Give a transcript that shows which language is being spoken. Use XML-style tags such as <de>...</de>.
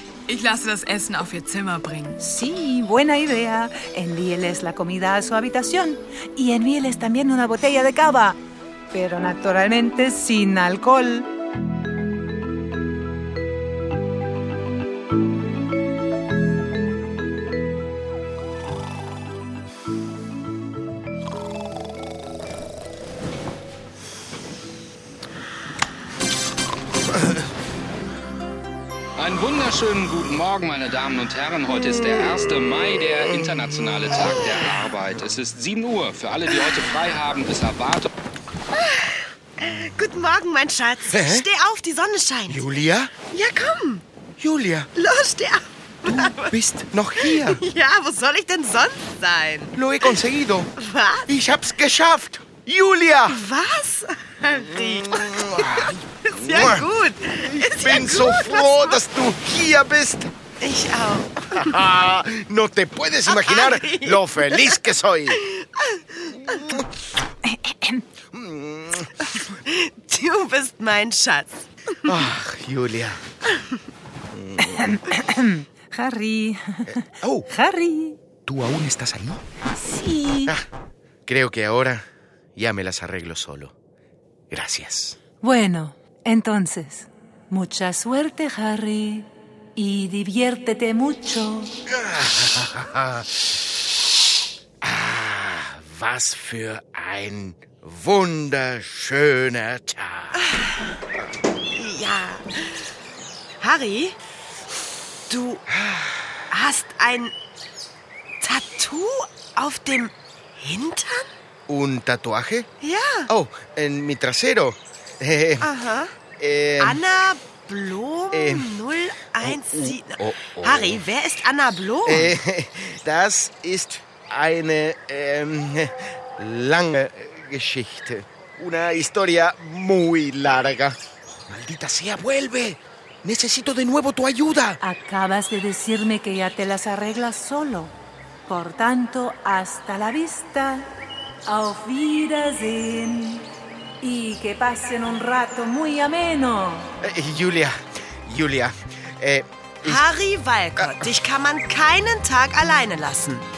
<de>Ich lasse das Essen auf ihr Zimmer bringen.</de> <es>Sí, buena idea. Envíeles la comida a su habitación. Y envíeles también una botella de cava. Pero naturalmente sin alcohol.</es> <de>Einen wunderschönen guten Morgen, meine Damen und Herren. Heute ist der 1. Mai, der internationale Tag der Arbeit. Es ist 7 Uhr. Für alle, die heute frei haben, ist erwartet. Guten Morgen, mein Schatz. Hä? Steh auf, die Sonne scheint. Julia? Ja, komm. Julia. Los, steh auf. Du bist noch hier. Ja, wo soll ich denn sonst sein?</de> <es>Lo he conseguido.</es> <de>Was? Ich hab's geschafft. Julia. Was? Ist ja gut. Ich bin so froh, dass du hier bist. Ich auch.</de> <es>No te puedes imaginar lo feliz que soy.</es> <de>Du bist mein Schatz. Ach, Julia. Harry. Oh. Harry.</de> <es>¿Tú aún estás ahí? Sí. Creo que ahora ya me las arreglo solo. Gracias. Bueno, entonces, mucha suerte, Harry, y diviértete mucho.</es> <de>Was für ein wunderschöner Tag. Ja. Harry, du hast ein Tattoo auf dem Hintern?</de> <es>¿Un tatuaje?</es> <de>Ja.</de> <es>Oh, en mi trasero. Anna Blom 017.</es> <de>Harry, wer ist Anna Blom? Das ist eine lange Geschichte.</de> <es>Una historia muy larga. Maldita sea, vuelve. Necesito de nuevo tu ayuda. Acabas de decirme que ya te las arreglas solo. Por tanto, hasta la vista.</es> <de>Auf Wiedersehen.</de> <es>Y que pasen un rato muy ameno.</es> <de>Julia. Harry Walcott, dich kann man keinen Tag alleine lassen.</de>